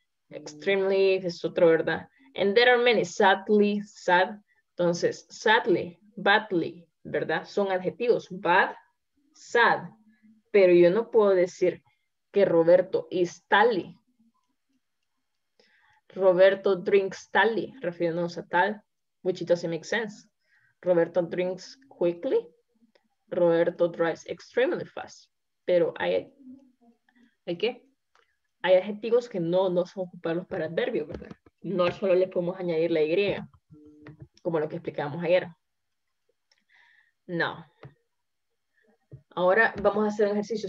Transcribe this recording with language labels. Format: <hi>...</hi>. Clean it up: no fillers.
<en>Extremely, es otro, ¿verdad? And there are many, sadly, sad.</en> <es>Entonces, sadly, badly, ¿verdad? Son adjetivos, bad, sad. Pero yo no puedo decir que Roberto is tally.</es> <en>Roberto drinks tally, refiriéndonos a tal, which doesn't make sense. Roberto drinks quickly. Roberto drives extremely fast.</en> <es>Pero hay adjetivos que no son ocupados para adverbios, ¿verdad? No solo le podemos añadir la Y, como lo que explicábamos ayer. No. Ahora vamos a hacer un ejercicio.</es>